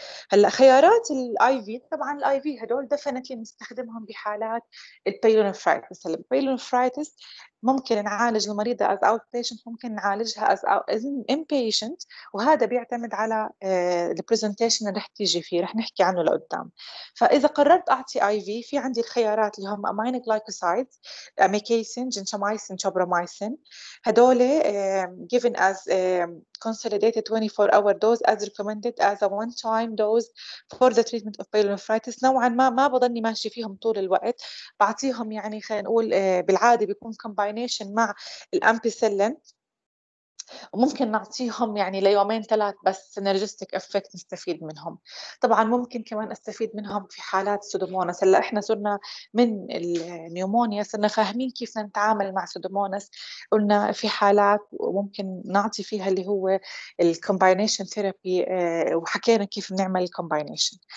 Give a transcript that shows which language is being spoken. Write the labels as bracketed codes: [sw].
[ar] هلا خيارات الاي في، طبعا الاي في هدول ديفينتلي نستخدمهم بحالات البايلونفرايتس. هلا البايلونفرايتس ممكن نعالج المريضه [en] as outpatient, [ar] ممكن نعالجها [en] as inpatient, [ar] وهذا بيعتمد على البرزنتيشن اللي رح تيجي فيه، رح نحكي عنه لقدام. فاذا قررت اعطي اي في، في عندي الخيارات اللي هم امين جلايكوسايدز، اميكيسين، جنتامايسين، توبرامايسين، هدول [en] given as consolidated 24 hour dose as recommended as a one time dose for the treatment of pyelonephritis. [ar] نوعا ما بضلني ماشي فيهم طول الوقت، بعطيهم يعني خلينا نقول بالعادي بيكون combination مع الامبيسيلين، وممكن نعطيهم يعني ليومين ثلاث بس synergistic effect نستفيد منهم. طبعا ممكن كمان استفيد منهم في حالات سودوموناس. هلا احنا صرنا من النيومونيا صرنا فاهمين كيف نتعامل مع سودوموناس، قلنا في حالات ممكن نعطي فيها اللي هو الكومباينيشن ثيرابي، وحكينا كيف نعمل الكومباينيشن.